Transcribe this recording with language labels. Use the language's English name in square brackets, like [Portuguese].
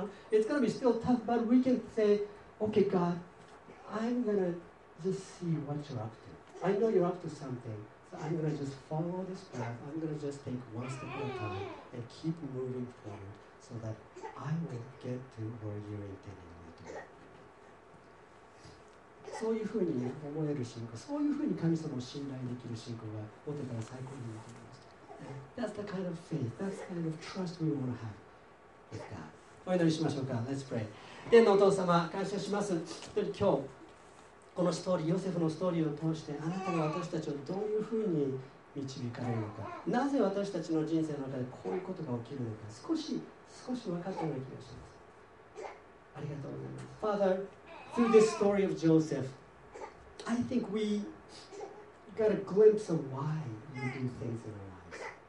[English] it's going to be still tough, but we can say, okay, God, I'm going to just see what you're up to. I know you're up to something, so I'm going to just follow this path. I'm going to just take one step at a time and keep moving forward so that I will get to where you're intending. [Japanese] そういうふうに、ね、思える信仰、そういうふうに神様を信頼できる信仰が持てたら最高になると思います。 [English] That's the kind of faith, that's the kind of trust we want to have with God. [Japanese] お祈りしましょうか。 [English] Let's pray. [Japanese] 天のお父様、感謝します。今日、このストーリー、ヨセフのストーリーを通して、あなたが私たちをどういうふうに導かれるのか、なぜ私たちの人生の中でこういうことが起きるのか、少し分かったような気がします。ありがとうございます。 [English] Father,Through this story of Joseph, I think we got a glimpse of why you do things in our lives.